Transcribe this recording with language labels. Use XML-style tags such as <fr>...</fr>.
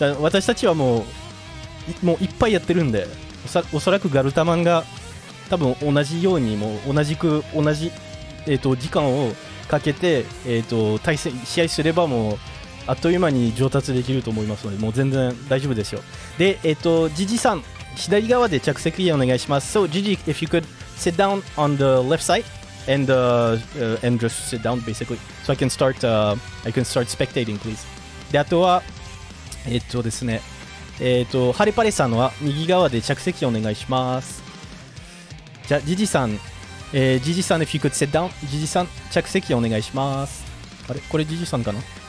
<ja>私たちはもう、もういっぱいやってるんで、おそらくガルタマンが多分同じようにもう同じ、時間をかけて、対戦試合すればもうあっという間に上達できると思いますので、もう全然大丈夫ですよ。で、ジジさん左側で着席お願いします。</ja> <en>So Gigi, if you could sit down on the left side and just sit down basically so I can start spectating please.</en> <ja>で、あとはですね、ハレパレさんは右側で着席お願いします。じゃあジジさん、ジジさん</ja> <en>if you could sit down、</en> <ja>ジジさん着席お願いします。あれ、これジジさんかな。</ja>